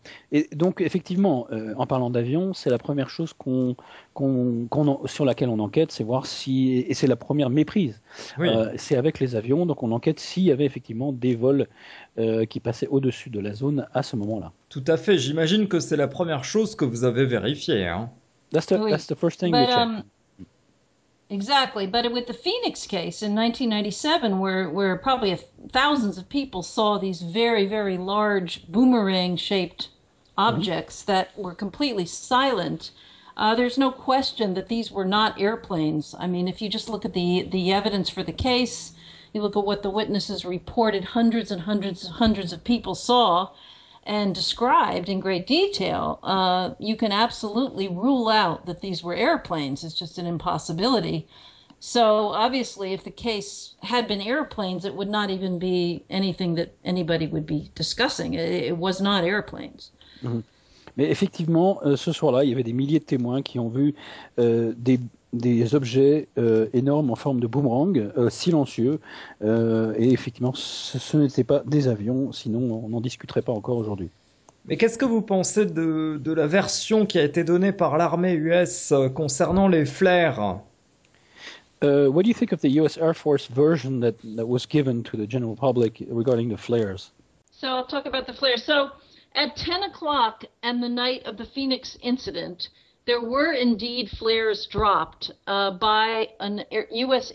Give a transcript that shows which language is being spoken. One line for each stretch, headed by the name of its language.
French: Et donc, effectivement, en parlant d'avion, c'est la première chose sur laquelle on enquête, c'est voir si... Et c'est la première méprise. Oui. C'est avec les avions, donc on enquête s'il y avait effectivement des vols qui passaient au-dessus de la zone à ce moment-là. Tout à fait. J'imagine que c'est la première chose que vous avez vérifiée. Hein.
English: That's the first thing But, we check. Exactly, but with the Phoenix case in 1997, where probably thousands of people saw these very, very large boomerang-shaped objects that were completely silent, there's no question that these were not airplanes. I mean, if you just look at the evidence for the case, you look at what the witnesses reported, hundreds and hundreds and hundreds of people saw and described in great detail, you can absolutely rule out that these were airplanes. It's just an impossibility. So obviously, if the case had been airplanes, it would not even be anything that anybody would be discussing. It was not airplanes.
French: Mais effectivement, ce soir-là, il y avait des milliers de témoins qui ont vu des objets énormes en forme de boomerang, silencieux, et effectivement, ce n'étaient pas des avions, sinon on n'en discuterait pas encore aujourd'hui. Mais qu'est-ce que vous pensez de la version qui a été donnée par l'armée US concernant les flares?
English: What do you think of the US Air Force version that was given to the general public regarding the flares? So I'll talk about the flares. So at 10 o'clock and the night of the Phoenix incident, there were indeed flares dropped by an U.S.